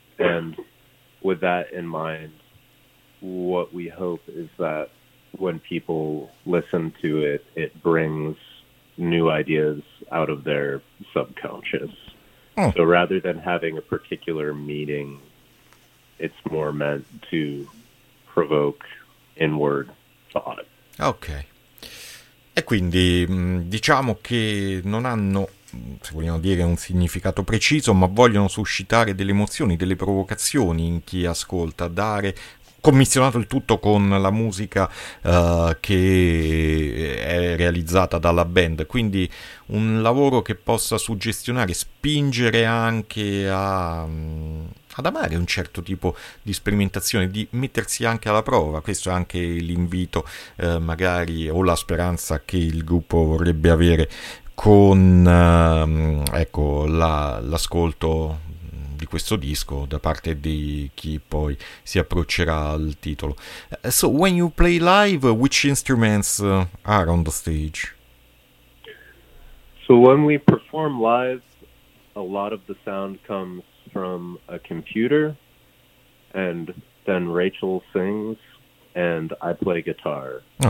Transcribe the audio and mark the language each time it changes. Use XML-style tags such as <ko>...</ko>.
<en>And with that in mind, what we hope is that when people listen to it, it brings new ideas out of their subconscious. So rather than having a particular meaning, it's more meant to provoke inward thought.</en> <it>Ok, e quindi diciamo che non hanno, se vogliamo dire, un significato preciso, ma vogliono suscitare delle emozioni, delle provocazioni in chi ascolta, dare, commissionato il tutto con la musica che è realizzata dalla band, quindi un lavoro che possa suggestionare, spingere anche ad amare un certo tipo di sperimentazione, di mettersi anche alla prova. Questo è anche l'invito, magari, o la speranza che il gruppo vorrebbe avere con ecco, l'ascolto di questo disco da parte di chi poi si approccerà al titolo.</it> <en>So, when you play live, which instruments are on the stage? So when we perform live, a lot of the sound comes from a computer, and then Rachel sings, and I play guitar.</en>